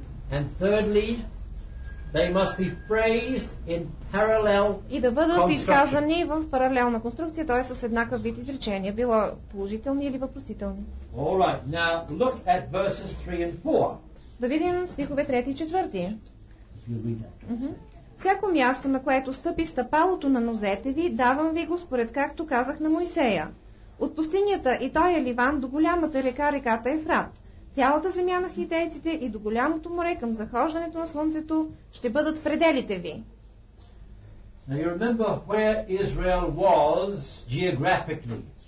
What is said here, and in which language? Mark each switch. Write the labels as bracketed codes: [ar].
[en] And thirdly, they must be phrased in parallel construction. [bg] И да бъдат изказани в паралелна конструкция, т.е. с еднакъв вид изречения, било положителни или въпросителни. [en] All right. Now, look at verses 3 and 4. [bg] Да видим стихове 3 и 4. Всяко място, на което стъпи стъпалото на нозете ви, давам ви го, според както казах на Моисея. От пустинята и той е Ливан до голямата река, реката Ефрат. Цялата земя на хитейците и до голямото море към захождането на слънцето ще бъдат пределите ви. [en] Now you remember where Israel was geographically.